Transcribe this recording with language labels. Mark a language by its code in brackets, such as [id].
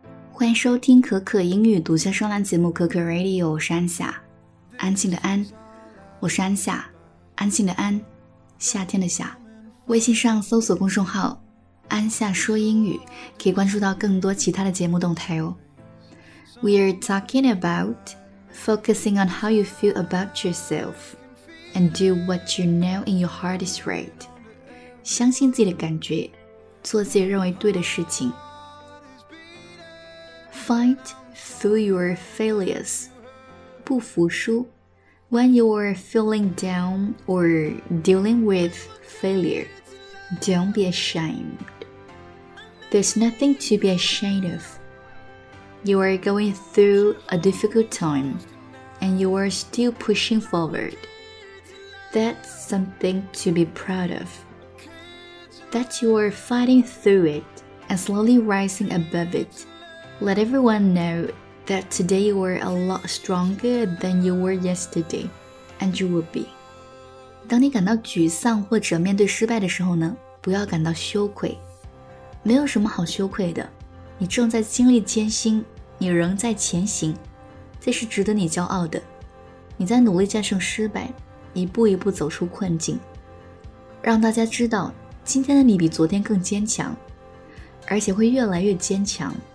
[zh] 欢迎收听可可英语独家专栏节目可可 Radio， 我是安夏，安静的安，我是安夏，安静的安，夏天的夏。微信上搜索公众号安夏说英语，可以关注到更多其他的节目动态哦。 [en] We are talking about focusing on how you feel about yourself and do what you know in your heart is right， [zh] 相信自己的感觉，做自己认为对的事情。 [en] Fight through your failures. [zh] 不服输。 [en] When you are feeling down or dealing with failure, don't be ashamed. There's nothing to be ashamed of. You are going through a difficult time, and you are still pushing forward. That's something to be proud of. That you are fighting through it and slowly rising above it. Let everyone know that today you are a lot stronger than you were yesterday, and you will be. [zh] 当你感到沮丧或者面对失败的时候呢，不要感到羞愧。没有什么好羞愧的，你正在经历艰辛，你仍在前行，这是值得你骄傲的。你在努力战胜失败，一步一步走出困境，让大家知道今天的你比昨天更坚强，而且会越来越坚强。